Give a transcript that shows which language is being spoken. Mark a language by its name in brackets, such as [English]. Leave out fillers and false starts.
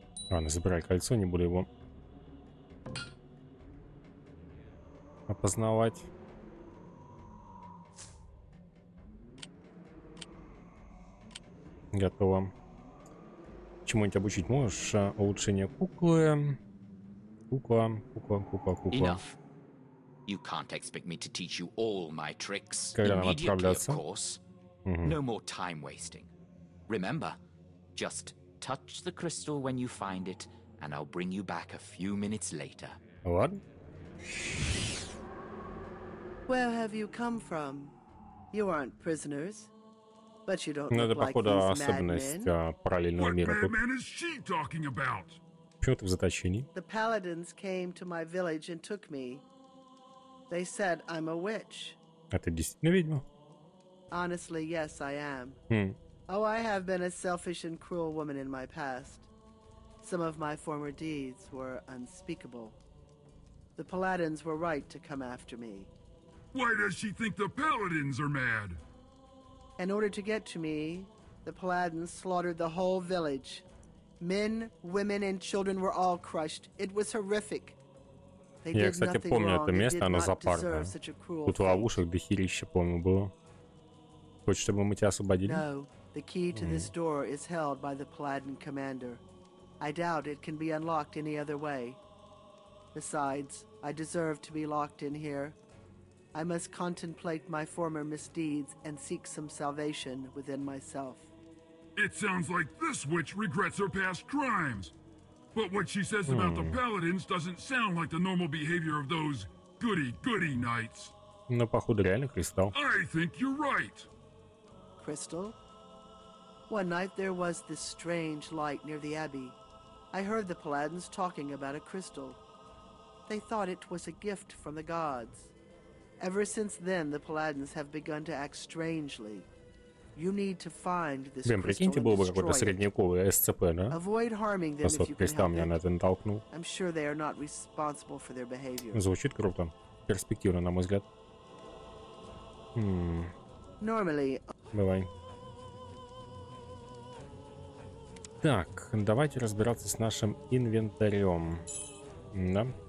[Russian] Ладно, забирай кольцо, не буду его опознавать. Готово. Чему-нибудь обучить можешь? Улучшение куклы. Кукла. [English] Enough. You can't expect me to teach you all my tricks. [Russian] Когда нам отправляться? [English] No more time wasting. Remember, just touch the crystal when you find it, and I'll bring you back a few minutes later. What? Where have you come from? You aren't prisoners, but you don't look like these madmen. What madman is she talking about? The paladins came to my village and took me. They said I'm a witch. [Russian] Это действительно ведьма? [English] Honestly, yes, I am. Oh, I have been a selfish and cruel woman in my past. Some of my former deeds were unspeakable. The paladins were right to come after me. Why does she think the paladins are mad? In order to get to me, the paladins slaughtered the whole village. Men, women, and children were all crushed. It was horrific. They did nothing wrong. [Russian] Я, кстати, помню это место, оно запарное. Тут ловушек до хирища, помню, было. Хочешь, чтобы мы тебя освободили? [English] No. The key to this door is held by the Paladin commander. I doubt it can be unlocked any other way. Besides, I deserve to be locked in here. I must contemplate my former misdeeds and seek some salvation within myself. It sounds like this witch regrets her past crimes. But what she says about the Paladins doesn't sound like the normal behavior of those goody-goody knights. [Russian] Но походу реально кристалл. [English] I think you're right. Crystal? One night there was this strange light near the abbey. I heard the Paladins talking about a crystal. They thought it was a gift from the gods. Ever since then, the Paladins have begun to act strangely. You need to find this crystal. [Russian] Блин, прикиньте, был бы какой-то средневековый SCP, да? [English] Avoid harming them if you can help it. [Russian] Меня на это натолкнул. [English] I'm sure they are not responsible for their behavior. [Russian] Звучит круто. Перспективно, на мой взгляд. [English] Normally. [Russian] Давай. Так, давайте разбираться с нашим инвентарем. Да.